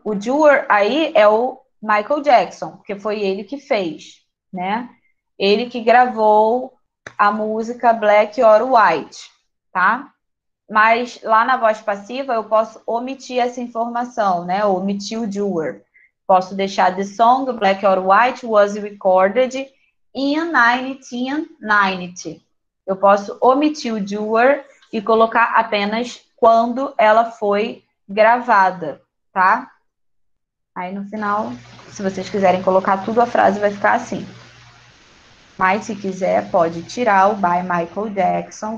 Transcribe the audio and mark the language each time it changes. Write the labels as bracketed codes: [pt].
[pt] O doer aí é o Michael Jackson, porque foi ele que fez, né? Ele que gravou a música Black or White, tá? Mas lá na voz passiva eu posso omitir essa informação, né? Ou omitir o doer. Posso deixar [en] the song Black or White was recorded in 1990. [pt] Eu posso omitir o doer e colocar apenas quando ela foi gravada, tá? Aí no final, se vocês quiserem colocar tudo, a frase vai ficar assim. Mas se quiser, pode tirar o [en] by Michael Jackson.